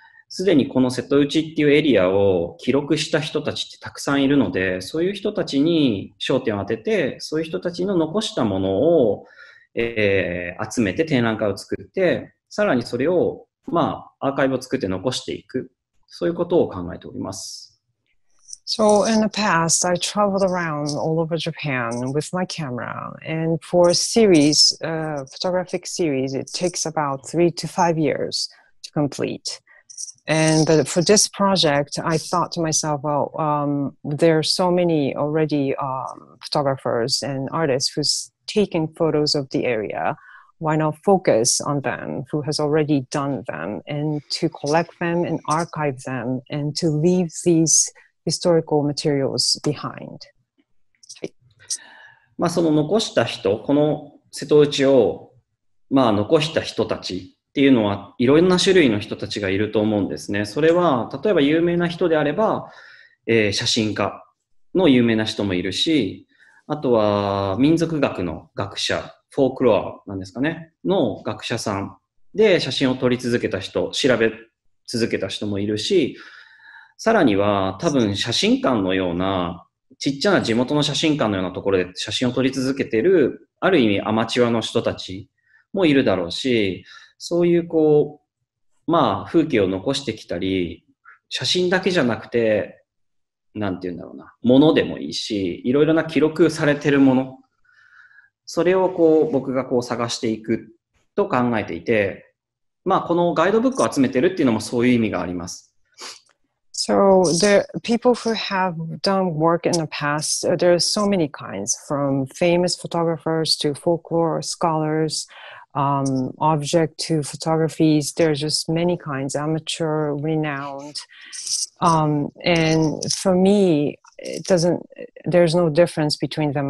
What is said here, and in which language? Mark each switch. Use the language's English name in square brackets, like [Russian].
[Japanese] すでにこの瀬戸内っていうエリアを記録した人たちってたくさんいるのでそういう人たちに焦点を当ててそういう人たちの残したものを、集めて展覧会を作ってさらにそれをまあアーカイブを作って残していくそういうことを考えております。 [English] So in the past, I traveled around all over Japan with my camera. And for a series, a photographic series, it takes about 3 to 5 years to complete. And for this project, I thought to myself, well, there are so many already photographers and artists who's taken photos of the area. Why not focus on them who has already done them and to collect them and archive them and to leave these... historical materials behind. [Japanese] はい。まあその残した人、この瀬戸内をまあ残した人たちっていうのはいろんな種類の人たちがいると思うんですね。それは例えば有名な人であれば、写真家の有名な人もいるし、あとは民族学の学者、フォークロアなんですかね、の学者さんで写真を撮り続けた人、調べ続けた人もいるし、さらには多分写真館のようなちっちゃな地元の写真館のようなところで写真を撮り続けているある意味アマチュアの人たちもいるだろうしそういうこうまあ風景を残してきたり写真だけじゃなくてなんて言うんだろうなものでもいいしいろいろな記録されているものそれをこう僕がこう探していくと考えていてまあこのガイドブックを集めてるっていうのもそういう意味があります。 [English] So the people who have done work in the past, there are so many kinds, from famous photographers to folklore scholars, object to photographies. There are just many kinds, amateur, renowned. And for me, there's no difference between them.